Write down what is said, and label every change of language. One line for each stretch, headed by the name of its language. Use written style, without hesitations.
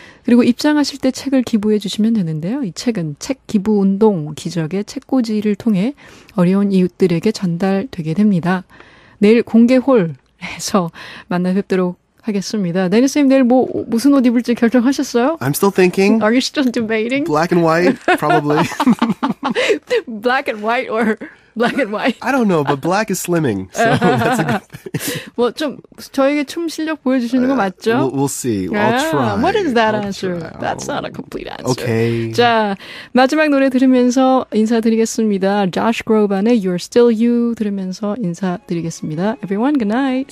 Korean: 그리고 입장하실 때 책을 기부해 주시면 되는데요. 이 책은 책 기부 운동 기적의 책꽂이를 통해 어려운 이웃들에게 전달되게 됩니다. 내일 공개 홀 해서 만나 뵙도록 하겠습니다. 네니 쌤, 내일 뭐 무슨 옷 입을지 결정하셨어요?
English: I'm still thinking. Are you still debating? Black and white, probably. Black and white or black and white. I don't know, but black is slimming, so that's a good thing.
Korean: 뭐 좀 저에게 춤 실력 보여주시는 거 맞죠?
English: We'll see. I'll try. What is that answer? That's not a complete answer. Okay.
Korean: 자, 마지막 노래 들으면서 인사드리겠습니다. Josh Groban의 You're Still You 들으면서 인사드리겠습니다.
English: Everyone, good night.